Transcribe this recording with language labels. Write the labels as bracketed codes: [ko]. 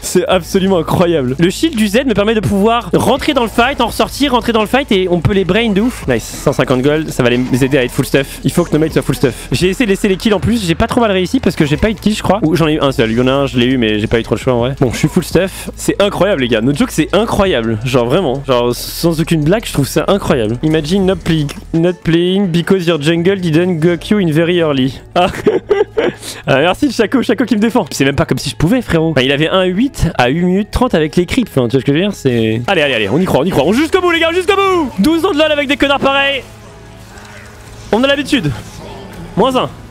[fr] C'est absolument incroyable! Le shield du Z me permet de pouvoir rentrer dans le fight, en ressortir, rentrer dans le fight et on peut les brain de ouf! Nice, 150 gold, ça va les aider à être full stuff. Il faut que nos mates soient full stuff. J'ai essayé de laisser les kills en plus, j'ai pas trop mal réussi parce que j'ai pas eu de kill, je crois. Ou j'en ai eu un seul, il y en a un, je l'ai eu, mais j'ai pas eu trop le choix en vrai. Bon, je suis full stuff. C'est incroyable, les gars! Notre joke, c'est incroyable! Genre vraiment! Genre, sans aucune blague, je trouve ça incroyable! [en] Imagine not playing because your jungle didn't go you in very early. Ah. [fr] merci Chaco, Chaco qui me défend. C'est même pas comme si je pouvais frérot. Enfin, il avait 1-8 à 8 minutes 30 avec les creeps, hein, tu vois ce que je veux dire. C'est. Allez, allez, allez, on y croit. On jusqu'au bout les gars, jusqu'au bout. 12 ans de LOL avec des connards pareils. On a l'habitude. Moins 1.